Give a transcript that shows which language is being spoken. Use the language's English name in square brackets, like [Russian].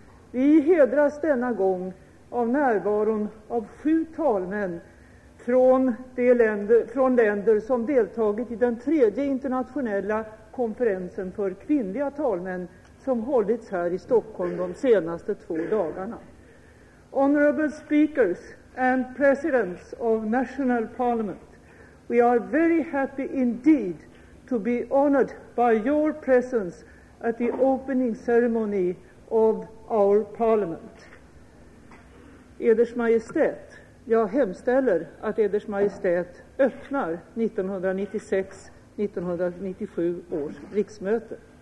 [Swedish] Vi hedras denna gång av närvaron av 7 talmän från länder som deltagit i den tredje internationella konferensen för kvinnliga talmän som hållits här i Stockholm de senaste 2 dagarna. [English] Honorable speakers and presidents of national parliament, we are very happy indeed to be honored by your presence at the opening ceremony of our parliament. [Swedish] Eders majestät, jag hemställer att Eders majestät öppnar 1996-1997 års riksmöte.